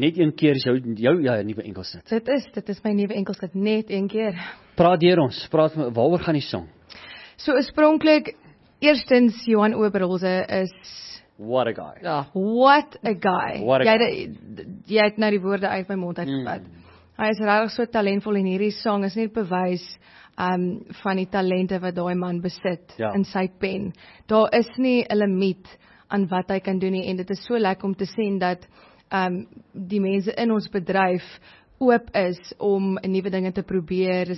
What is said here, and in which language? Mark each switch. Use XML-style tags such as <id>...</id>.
<af>Net een keer is jou ja, nuwe enkelskit. Dit is my nuwe enkelskit, net een keer. Praat deur ons, praat, waaroor gaan die song? So oorspronklik, eerstens, Johan Oberholse is...</af> <en>What a guy.</en> <af>Ja,</af> <en>what a guy. What a guy.</en> <af>Jy het nou die woorde uit my mond uitgevat. Hy is regtig so talentvol en hierdie song is net bewys... van die talente wat die man besit in sy pen. Daar is nie 'n limiet aan wat hy kan doen nie en dit is so lekker om te sien dat die mense in ons bedryf oop is om nuwe dinge te probeer.</af>